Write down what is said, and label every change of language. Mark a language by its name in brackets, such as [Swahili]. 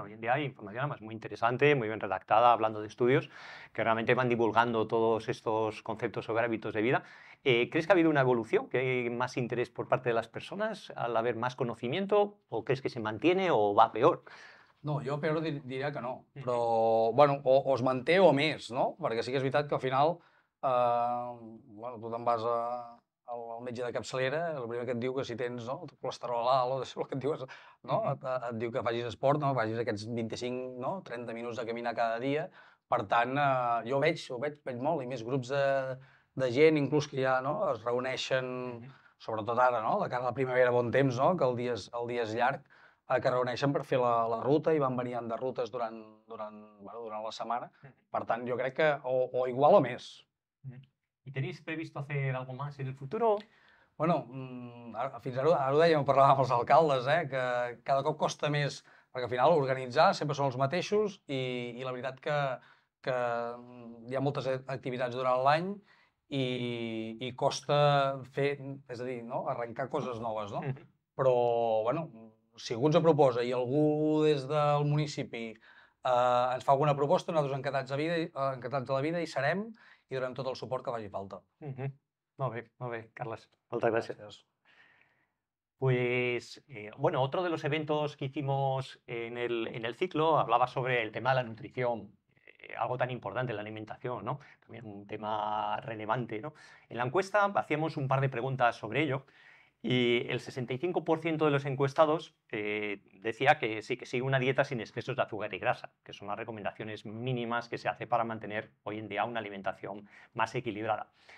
[Spanish] Hoy en día hay información además muy interesante, muy bien redactada, hablando de estudios, que realmente van divulgando todos estos conceptos sobre hábitos de vida. ¿Crees que ha habido una evolución? ¿Que hay más interés por parte de las personas al haber más conocimiento? ¿O crees que se mantiene o va peor? [Catalan] No, jo peor diria que no. Però, bueno, o es manté o més, no? Perquè sí que és veritat que al final, bueno, tu te'n vas a... el metge de capçalera, el primer que et diu que si tens, no, el colesterol alt o el que et diu és, no, et diu que facis esport, no, facis aquests 25, no, 30 minuts de caminar cada dia. Per tant, jo ho veig molt, i més grups de gent, inclús que ja, no, es reuneixen, sobretot ara, no, de cara a la primavera, bon temps, no, que el dia és llarg, que reuneixen per fer la ruta i van variant de rutes durant, bueno, durant la setmana. Per tant, jo crec que o igual o més. [Spanish] ¿Y tenéis previsto hacer algo más en el futuro? [Catalan] Bueno, fins ara ho dèiem, parlàvem amb els alcaldes, que cada cop costa més, perquè al final organitzar sempre són els mateixos i la veritat que hi ha moltes activitats durant l'any i costa fer, és a dir, no? Arrencar coses noves, no? Però, bueno, si algú ens ho proposa i algú des del municipi ens fa alguna proposta, nosaltres encantats de la vida hi serem i donem tot el suport que vagi falta. Molt bé, Carles. Moltes gràcies. [Spanish] Pues, bueno, otro de los eventos que hicimos en el ciclo hablaba sobre el tema de la nutrición, algo tan importante, la alimentación, ¿no? También un tema relevante, ¿no? En la encuesta hacíamos un par de preguntas sobre ello y el 65% de los encuestados decía que sí, que sigue una dieta sin excesos de azúcar y grasa, que son las recomendaciones mínimas que se hace para mantener hoy en día una alimentación más equilibrada.